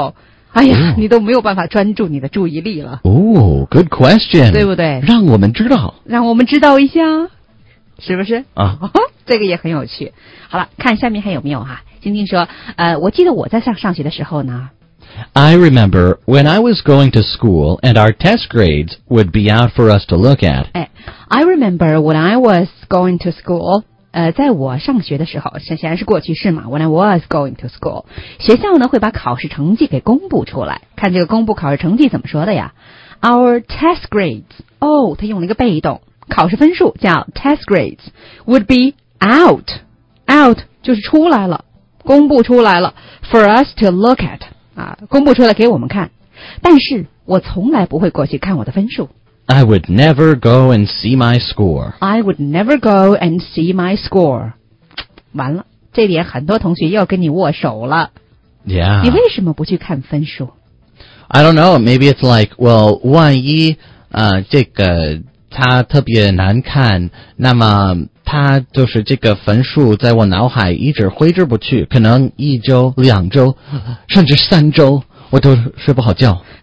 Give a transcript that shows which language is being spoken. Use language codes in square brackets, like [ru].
[zh] 哦、哎呀你都没有办法专注你的注意力了。 [en] 哦 good question. [zh] 对不对让我们知道。让我们知道一下。是不是啊、哦、这个也很有趣。好了看下面还有没有啊晶晶说我记得我在上学的时候呢。 [en] I remember when I was going to school and our test grades would be out for us to look at. I remember when I was going to school. [zh] 在我上学的时候显然是过去式嘛 [en] when I was going to school [zh] 学校呢会把考试成绩给公布出来看这个公布考试成绩怎么说的呀 [en] our test grades [zh] 哦他用了一个被动考试分数叫 [en] test grades would be out out [zh] 就是出来了公布出来了 [en] for us to look at [zh] 啊，公布出来给我们看但是我从来不会过去看我的分数 [en] I would never go and see my score. I would never go and see my score. [zh] 完了，这点很多同学要跟你握手了。 [en] Yeah. [zh] 你为什么不去看分数 [en] ？I don't know. Maybe it's like, well, [zh] 万一这个它特别难看，那么它就是这个分数在我脑海一直挥之不去，可能一周、两周，甚至三周，我都睡不好觉。